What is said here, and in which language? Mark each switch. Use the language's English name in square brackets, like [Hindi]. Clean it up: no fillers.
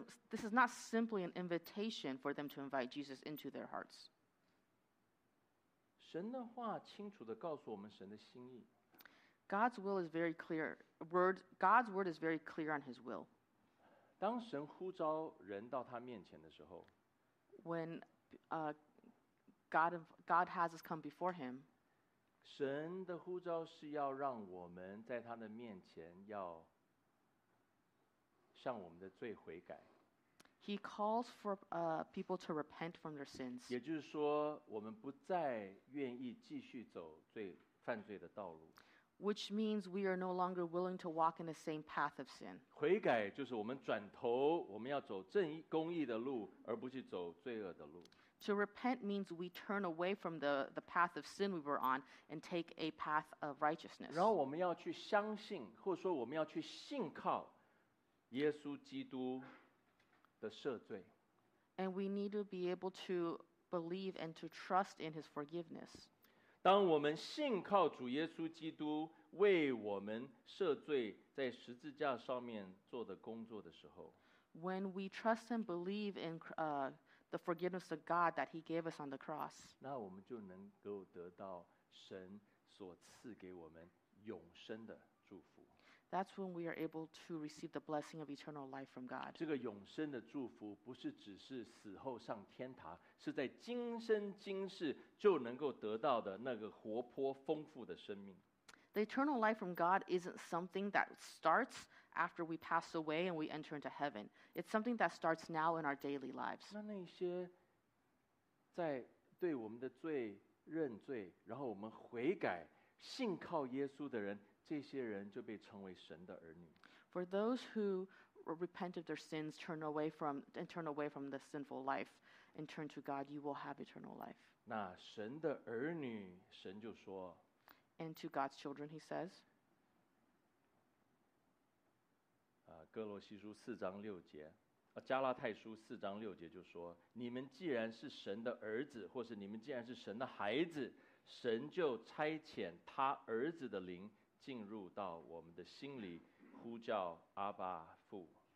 [English] This is not simply an invitation for them to invite Jesus into their hearts. [Chinese] 神的话清楚地告诉我们神的心意。 [English] God's will is very clear. God's word is very clear on His will. [Chinese] 当神呼召人到他面前的时候 [English] ，When God has us come before Him. [Chinese] 神的呼召是要让我们在他的面前要向我们的罪悔改。 [English] He calls for people to repent from their sins. [Chinese] 也就是说，我们不再愿意继续走罪犯罪的道路。 [English] Which means we are no longer willing to walk in the same path of sin. [Chinese] 悔改就是我们转头，我们要走正义公义的路，而不是走罪恶的路。 [English] To repent means we turn away from the path of sin we were on and take a path of righteousness. [Chinese] 然后我们要去相信，或者说我们要去信靠耶稣基督的赦罪。 [English] And we need to be able to believe and to trust in His forgiveness. [Chinese] 当我们信靠主耶稣基督为我们赦罪在十字架上面做的工作的时候 [English] ，When we trust and believe in the forgiveness of God that He gave us on the cross. [Chinese] 那我们就能够得到神所赐给我们永生的祝福。 [English] That's when we are able to receive the blessing of eternal life from God. [Chinese] 这个永生的祝福不是只是死后上天堂，是在今生今世就能够得到的那个活泼丰富的生命。 [English] The eternal life from God isn't something that starts after we pass away and we enter into heaven. It's something that starts now in our daily lives. [Chinese] 那那些在对我们的罪认罪，然后我们悔改，信靠耶稣的人，这些人就被称为神的儿女。 [English] For those who repent of their sins, turn away from the sinful life, and turn to God, you will have eternal life. [Chinese] 那神的儿女，神就说。 [English] And to God's children, he says. [Chinese] 哥罗西书四章六节，加拉太书四章六节就说：你们既然是神的儿子，或是你们既然是神的孩子，神就差遣他儿子的灵进入到我们的心里，呼叫阿爸父。